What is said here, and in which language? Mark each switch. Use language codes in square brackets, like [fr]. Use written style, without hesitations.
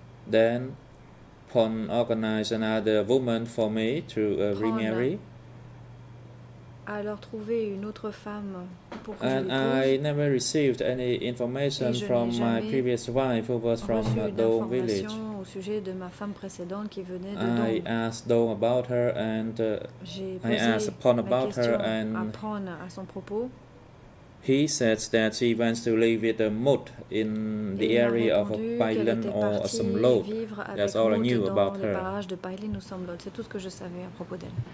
[en] Then Pon organized another woman for me to remarry. [fr] Alors trouver une autre femme pour que [en] and I never received any information from my previous wife who was from Dong village. [fr] Au sujet de ma femme précédente qui venait de Dong. [en] I asked Dong about her and I asked Pon about her and [fr] à Pon à son propos. [en] He says that she wants to live with a Mot in the area of Pailin or Somlot. That's all I knew about her. [fr] Le barrage de Pailin ou Somlot, c'est tout ce que je savais à propos d'elle.